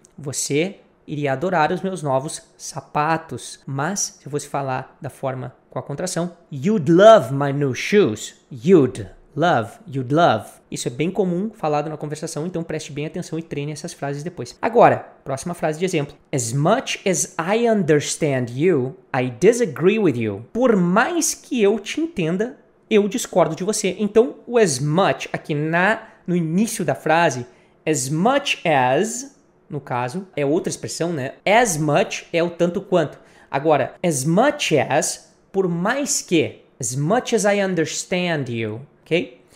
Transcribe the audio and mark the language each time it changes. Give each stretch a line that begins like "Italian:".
Portuguese: Você iria adorar os meus novos sapatos. Mas, se eu fosse falar da forma com a contração,
English: you'd love my new shoes. You'd love.
Portuguese: Isso é bem comum falado na conversação, então preste bem atenção e treine essas frases depois. Agora, próxima frase de exemplo.
English: As much as I understand you, I disagree with you.
Portuguese: Por mais que eu te entenda, eu discordo de você. Então, o as much aqui no início da frase, as much as, no caso, é outra expressão, né? As much é o tanto quanto. Agora, as much as, por mais que,
English: as much as I understand you,
Portuguese: ok?